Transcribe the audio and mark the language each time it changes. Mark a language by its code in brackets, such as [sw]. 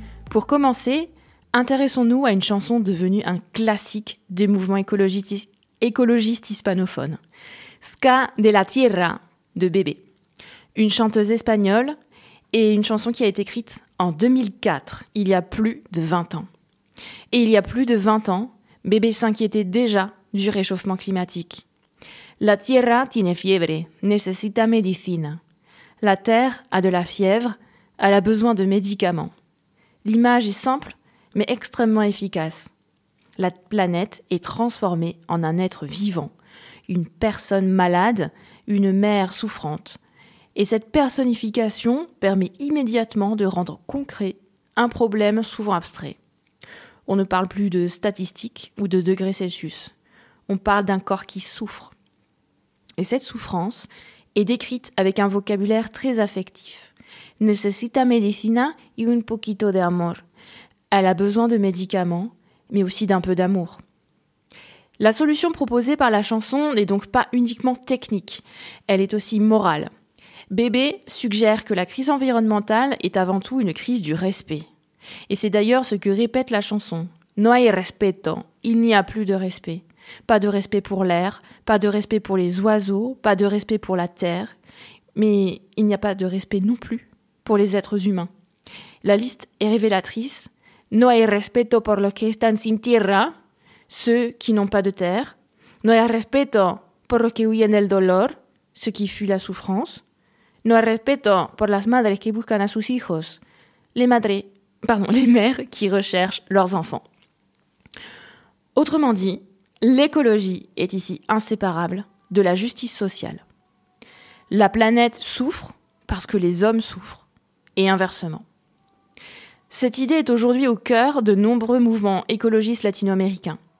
[fr] Pour commencer, intéressons-nous à une chanson devenue un classique des mouvements écologistes hispanophones. Ska de la Tierra, de Bébé. Une chanteuse espagnole et une chanson qui a été écrite en 2004, il y a plus de 20 ans. Et il y a plus de 20 ans, Bébé s'inquiétait déjà du réchauffement climatique. [es] La tierra tiene fiebre, necesita medicina. [fr] La terre a de la fièvre, elle a besoin de médicaments. L'image est simple, mais extrêmement efficace. La planète est transformée en un être vivant, une personne malade, une mère souffrante. Et cette personnification permet immédiatement de rendre concret un problème souvent abstrait. On ne parle plus de statistiques ou de degrés Celsius. On parle d'un corps qui souffre. Et cette souffrance est décrite avec un vocabulaire très affectif. [es] Necesita medicina y un poquito de amor. [fr] Elle a besoin de médicaments, mais aussi d'un peu d'amour. La solution proposée par la chanson n'est donc pas uniquement technique, elle est aussi morale. Bébé suggère que la crise environnementale est avant tout une crise du respect. Et c'est d'ailleurs ce que répète la chanson. [es] No hay respeto, [fr] il n'y a plus de respect. Pas de respect pour l'air, pas de respect pour les oiseaux, pas de respect pour la terre, mais il n'y a pas de respect non plus pour les êtres humains. La liste est révélatrice. [es] No hay respeto por los que están sin tierra, [fr] ceux qui n'ont pas de terre. [es] No hay respeto por los que huyen el dolor, [fr] ceux qui fuient la souffrance. [es] No hay respeto por las madres que buscan a sus hijos, [fr] les mères qui recherchent leurs enfants. Autrement dit, l'écologie est ici inséparable de la justice sociale. La planète souffre parce que les hommes souffrent, et inversement. Cette idée est aujourd'hui au cœur de nombreux mouvements écologistes latino-américains.